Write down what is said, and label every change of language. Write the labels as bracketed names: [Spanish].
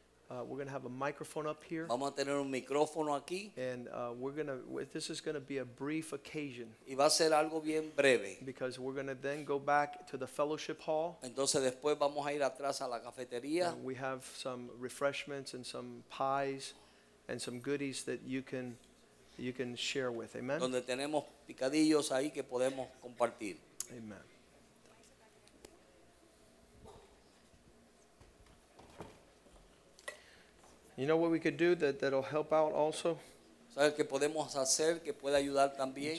[English] We're going to have a microphone up here. [Spanish] Vamos a tener un micrófono aquí. [English] And this is going to be a brief occasion. [Spanish] Y va a ser algo bien breve. [English] Because we're going to then go back to the fellowship hall. [Spanish] Entonces después vamos a ir atrás a la cafetería. [English] And we have some refreshments and some pies and some goodies that you can share with. Amen. [Spanish] Donde tenemos picadillos ahí que podemos compartir. [English] Amen. You know what we could do that'll help out also? [Spanish] ¿Sabes qué podemos hacer que pueda ayudar también?